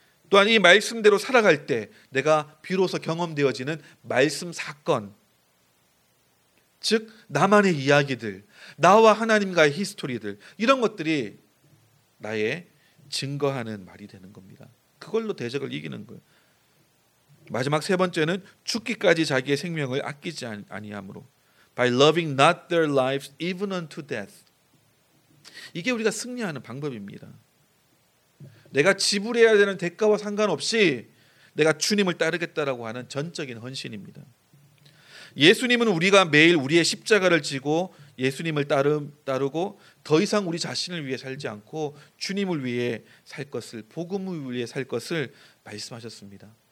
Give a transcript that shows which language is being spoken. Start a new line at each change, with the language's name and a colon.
Korean: 또한 이 말씀대로 살아갈 때 내가 비로소 경험되어지는 말씀 사건, 즉 나만의 이야기들, 나와 하나님과의 히스토리들, 이런 것들이 나의 증거하는 말이 되는 겁니다. 그걸로 대적을 이기는 거예요. 마지막 세 번째는 죽기까지 자기의 생명을 아끼지 아니함으로.
English: By loving not their lives even unto death.
Korean: 이게 우리가 승리하는 방법입니다. 내가 지불해야 되는 대가와 상관없이 내가 주님을 따르겠다라고 하는 전적인 헌신입니다. 예수님은 우리가 매일 우리의 십자가를 지고 예수님을 따르고 더 이상 우리 자신을 위해 살지 않고 주님을 위해 살 것을, 복음을 위해 살 것을 말씀하셨습니다.